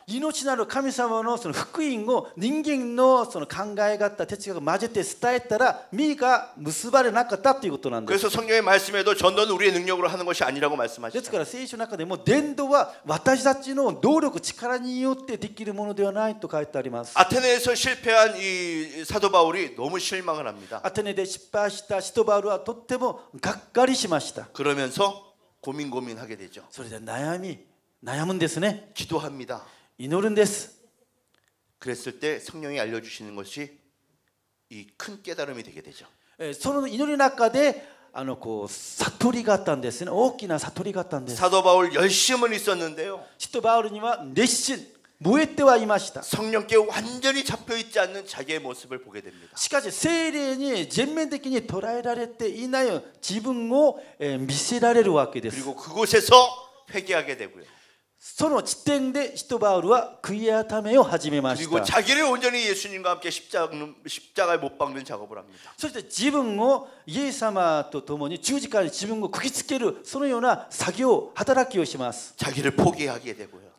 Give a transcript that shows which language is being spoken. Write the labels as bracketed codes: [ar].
[ja] 命なる神様のその福音を人間のその考え方哲学を混ぜて伝えたら実が結ばれなかったということなんです。 [ko] 그래서성경의말씀에도전도는우리의능력으로하는것이아니라고말씀하시죠。 [ja] ですから聖書の中でも伝道は私たちの努力力によってできるものではないと書いてあります。 [ko] 아테네에서실패한이사도바울이너무실망을합니다。 [ja] アテネで失敗した使徒パウルはとってもがっかりしました。 [ko] 그러면서고민고민하게되죠。 [ja] それで悩むんですね。 [ko] 기도합니다。 [ja] 祈るんです。 [ko] 그랬을때성령이알려주시는것이이큰깨달음이되게되죠 [ja] その祈りの中であのこう悟りがあったんですね大きな悟りがあったんです [ko] 사도바울열심은있었는데요 [ja] 使徒パウルには熱心燃えてはいました [ko] 성령께완전히잡혀있지않는자기의모습을보게됩니다 [ja] しかし聖霊に全面的に捉えられていない自分を見せられるわけです [ko] 그리고그곳에서회개하게되고요 [ja] その地点で使徒パウルは悔い改めを始めました。 [ko] 그리고자기를온전히예수님과함께십자가에못박는작업을합니다。 [ja] そして自分をイエス様とともに十字架に自分を釘付けるそのような作業、働きをします。 [ko] 자기를포기하게되고요。